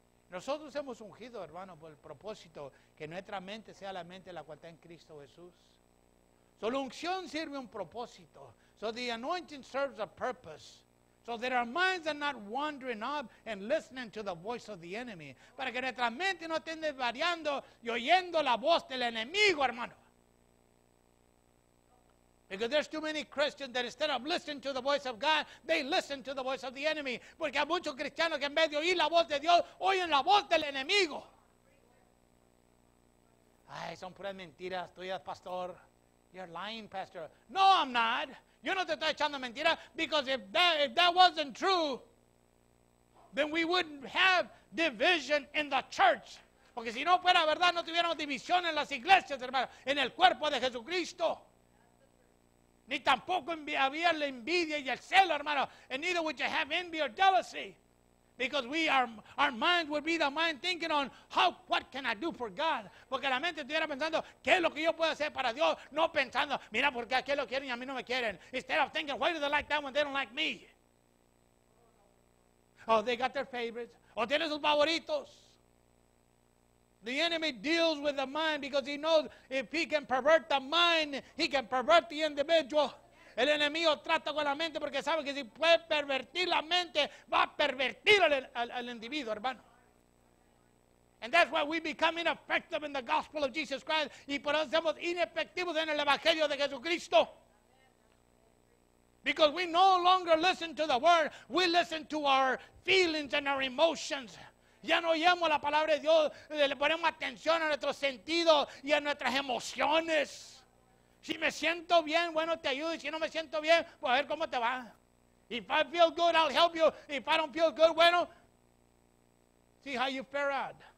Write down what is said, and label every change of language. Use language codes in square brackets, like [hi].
[es] Nosotros hemos ungido, hermano, por el propósito que nuestra mente sea la mente la cual está en Cristo Jesús. [en] So [es] la unción sirve un propósito. [en] So the anointing serves a purpose. So that our minds are not wandering up and listening to the voice of the enemy. [es] Para que nuestra mente no esté desvariando y oyendo la voz del enemigo, hermano. [en] Because there's too many Christians that instead of listening to the voice of God, they listen to the voice of the enemy. [es] Porque hay muchos cristianos que en vez de oír la voz de Dios, oyen la voz del enemigo. Ay, son puras mentiras tuyas, pastor. [en] You're lying, pastor. No, I'm not. [es] Yo no te estoy echando mentiras. [en] Because if that wasn't true, then we wouldn't have division in the church. [es] Porque si no fuera verdad, no tuviéramos división en las iglesias, hermano, en el cuerpo de Jesucristo. Ni tampoco había la envidia y el celo, hermano. [en] And neither would you have envy or jealousy. Because our mind would be the mind thinking on what can I do for God. [es] Porque la mente estuviera pensando, ¿qué es lo que yo puedo hacer para Dios? No pensando, mira, porque aquí lo quieren y a mí no me quieren. [en] Instead of thinking, why do they like that when they don't like me? Oh, they got their favorites. [es] O tienen sus favoritos. [en] The enemy deals with the mind because he knows if he can pervert the mind, he can pervert the individual. [es] El enemigo trata con la mente porque sabe que si puede pervertir la mente, va a pervertir al individuo, hermano. [en] And that's why we become ineffective in the gospel of Jesus Christ. [es] Y por eso somos inefectivos en el evangelio de Jesucristo. [en] Because we no longer listen to the word, we listen to our feelings and our emotions. [es] Ya no oyemos la palabra de Dios, le ponemos atención a nuestros sentidos y a nuestras emociones. Si me siento bien, bueno, te ayudo. Si no me siento bien, pues a ver cómo te va. [en] If I feel good, I'll help you. If I don't feel good, bueno, see how you fare out.